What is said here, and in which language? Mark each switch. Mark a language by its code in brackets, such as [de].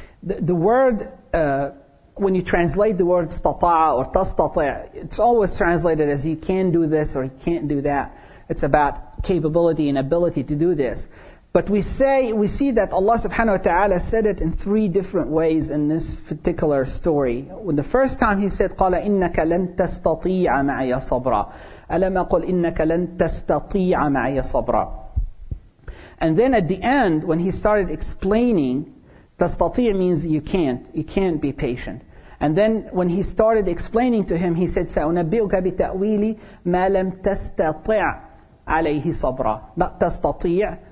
[en] The word, when you translate the word istata'a or tastata'a, it's always translated as you can do this or you can't do that. It's about capability and ability to do this. But we see that Allah subhanahu wa ta'ala said it in three different ways in this particular story. When the first time he said, [ar] قَالَ إِنَّكَ لَن تَسْتَطِيعَ مَعَيَ صَبْرًا أَلَمْ أَقُلْ إِنَّكَ لَن تَسْتَطِيعَ مَعَيَ صَبْرًا. [en] And then at the end, when he started explaining, تَسْتَطِيع means you can't be patient. And then when he started explaining to him, he said, [ar] سَأُنَبِّئُكَ بِتَأْوِيلِ مَا لَمْ تَسْتَطِعْ عَلَيْهِ صَبْرًا. [en] Not تَسْتَطِيع,